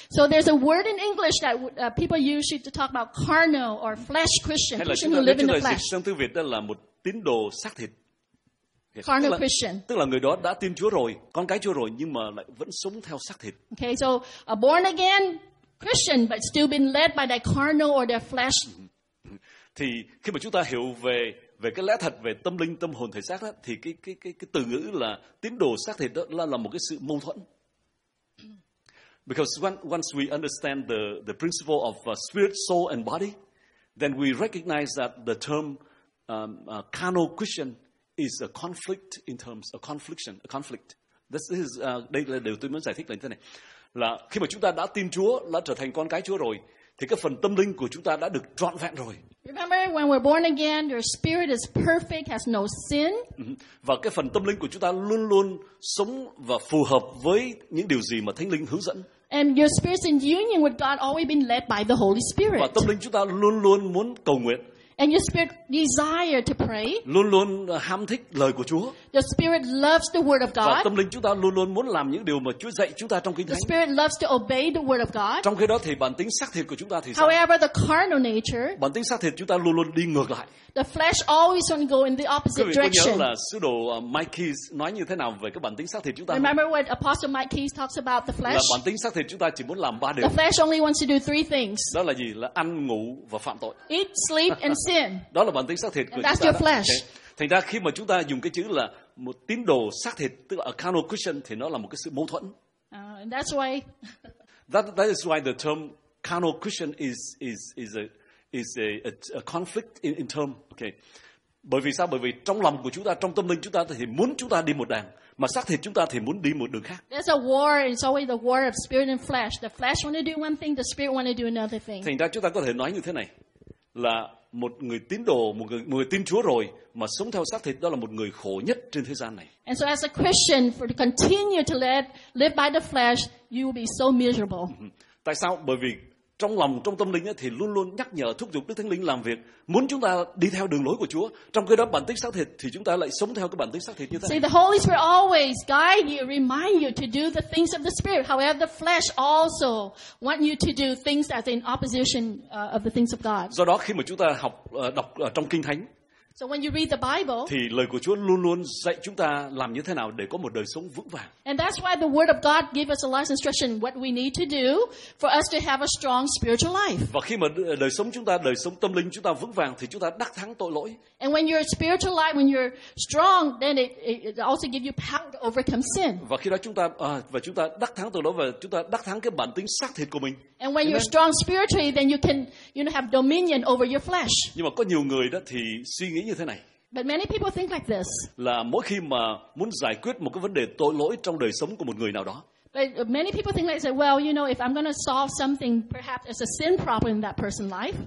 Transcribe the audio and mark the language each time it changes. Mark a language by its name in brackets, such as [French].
[English] So there's a word in English that people use to talk about carnal or flesh Christian, Christian who live in the flesh. [Vietnamese] Trong tiếng Việt đó là một tín đồ xác thịt. [English] Carnal Christian. [Vietnamese] Tức là người đó đã tin Chúa rồi, con cái Chúa rồi nhưng mà lại vẫn sống theo xác thịt. [English] Okay, so a born again Christian but still been led by their carnal or their flesh. [Vietnamese] Thì khi mà chúng ta hiểu về cái lẽ thật về tâm linh, tâm hồn, thể xác đó thì cái từ ngữ là tín đồ xác thịt đó là một cái sự mâu thuẫn. [English] Because once we understand the principle of spirit, soul and body, then we recognize that the term carnal Christian is a conflict in terms of confliction, a conflict. This is [Vietnamese] đây là điều tôi muốn giải thích là như thế này. Là khi mà chúng ta đã tin Chúa, đã trở thành con cái Chúa rồi, thì cái phần tâm linh của chúng ta đã được trọn vẹn rồi. [English] Remember when we're born again, your spirit is perfect, has no sin. [Vietnamese] Và cái phần tâm linh của chúng ta luôn luôn sống và phù hợp với những điều gì mà Thánh Linh hướng dẫn. [English] And your spirit's in union with God, always been led by the Holy Spirit. [Vietnamese] Và tâm linh chúng ta luôn luôn muốn cầu nguyện. [English] And your spirit desire to pray. [Vietnamese] Luôn luôn ham thích lời của Chúa. [English] Your spirit loves the word of God. [Vietnamese] Và tâm linh chúng ta luôn luôn muốn làm những điều mà Chúa dạy chúng ta trong Kinh Thánh. [English] The spirit loves to obey the word of God. [Vietnamese] Trong khi đó thì bản tính xác thịt của chúng ta thì sao? [English] However, the carnal nature. [Vietnamese] Bản tính xác thịt chúng ta luôn luôn đi ngược lại. [English] The flesh always want to go in the opposite direction. [Vietnamese] Quý vị có nhớ là sứ đồ Mike Keys nói như thế nào về cái bản tính xác thịt chúng ta? [English] Remember what Apostle Mike Keys talks about the flesh? [Vietnamese] Là bản tính xác thịt chúng ta chỉ muốn làm ba điều. [English] The flesh only wants to do three things. [Vietnamese] Đó là gì? Là ăn, ngủ và phạm tội. [English] Eat, sleep and sin. [Vietnamese] Đó là bản tính xác thịt của chúng ta. [English] That's your flesh. [Vietnamese] Thành ra khi mà chúng ta dùng cái chữ là một tín đồ xác thịt, tức là [English] a carnal Christian, [Vietnamese] thì nó là một cái sự mâu thuẫn. [English] That is why the term carnal Christian is a conflict in term. Okay. [Vietnamese] Bởi vì sao? Bởi vì trong lòng của chúng ta, trong tâm linh chúng ta thì muốn chúng ta đi một đàng, mà xác thịt chúng ta thì muốn đi một đường khác. [English] There's a war, it's always the war of spirit and flesh. The flesh want to do one thing, the spirit want to do another thing. [Vietnamese] Thành ra chúng ta có thể nói như thế này, là một người tín đồ, một người tin Chúa rồi mà sống theo xác thịt, đó là một người khổ nhất trên thế gian này. [English] And so as a Christian, for to continue to live by the flesh, you will be so miserable. [Vietnamese] Tại sao? Bởi vì trong lòng, trong tâm linh ấy, thì luôn luôn nhắc nhở, thúc giục Đức Thánh Linh làm việc, muốn chúng ta đi theo đường lối của Chúa. Trong khi đó bản tính xác thịt thì chúng ta lại sống theo cái bản tính xác thịt như thế. [English] See, the Holy Spirit always guide you, remind you to do the things of the Spirit. However, the flesh also want you to do things that are in opposition of the things of God. [Vietnamese] Do đó khi mà chúng ta học đọc trong Kinh Thánh, [English] so when you read the Bible, [Vietnamese] thì lời của Chúa luôn luôn dạy chúng ta làm như thế nào để có một đời sống vững vàng. [English] And that's why the word of God gives us a lot of instruction what we need to do for us to have a strong spiritual life. [Vietnamese] Và khi mà đời sống chúng ta, đời sống tâm linh chúng ta vững vàng thì chúng ta đắc thắng tội lỗi. [English] And when you're spiritual life, when you're strong, then it also gives you power to overcome sin. [Vietnamese] Và khi đó chúng ta đắc thắng tội lỗi và chúng ta đắc thắng cái bản tính xác thịt của mình. [English] And when you're strong spiritually, then you can, you know, have dominion over your flesh. [Vietnamese] Nhưng mà có nhiều người đó thì suy nghĩ như thế này. [English] But many people think like this. [Vietnamese] Là mỗi khi mà muốn giải quyết một cái vấn đề tội lỗi trong đời sống của một người nào đó. [English] But many people think like, well, you know, if I'm going to solve something, perhaps it's a sin problem in that person's life.